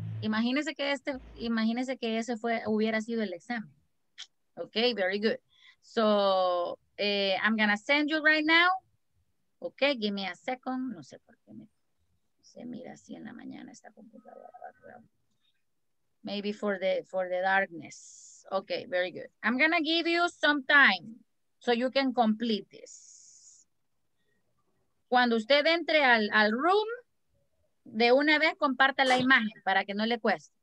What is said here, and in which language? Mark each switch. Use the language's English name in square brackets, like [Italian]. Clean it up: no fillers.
[Spanish] Imagínense que este, imagínense que ese fue, hubiera sido el examen. Okay, very good. [English] So, I'm gonna send you right now. Okay, give me a second. [Spanish] No sé por qué me, se mira así en la mañana esta computadora. [English] Maybe for the darkness. Okay, very good. I'm gonna give you some time so you can complete this. [Spanish] Cuando usted entre al, al room, de una vez comparta la imagen para que no le cueste.